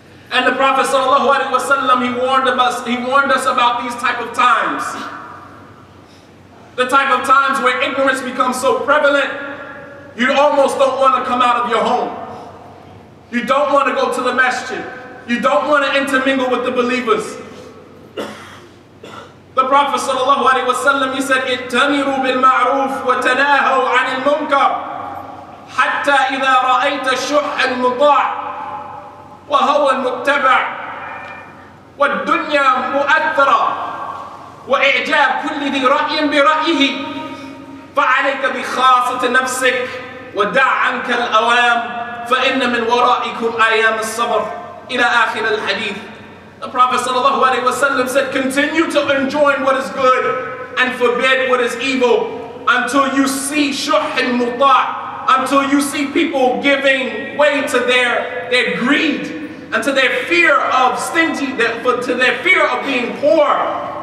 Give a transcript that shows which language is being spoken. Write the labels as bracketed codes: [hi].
[en] And the Prophet sallallahu alaihi wasallam, he warned us about these type of times. The type of times where ignorance becomes so prevalent, you almost don't want to come out of your home. You don't want to go to the masjid. You don't want to intermingle with the believers. The Prophet sallallahu alaihi wasallam, he said, [ar] اتنروا بالمعروف وتناهوا عن المنكر حتى إذا رأيت شح المطاع وهو المتبع والدنيا مؤثرة وإعجاب كل ذي رأي برأيه فعليك بخاصة نفسك ودع عنك الأوام فإن من ورائكم أيام الصبر إلى آخر الحديث. [en] The Prophet sallallahu alaihi wasallam said, continue to enjoin what is good and forbid what is evil until you see shuh and muta', until you see people giving way to their greed and to their fear of stingy, to their fear of being poor.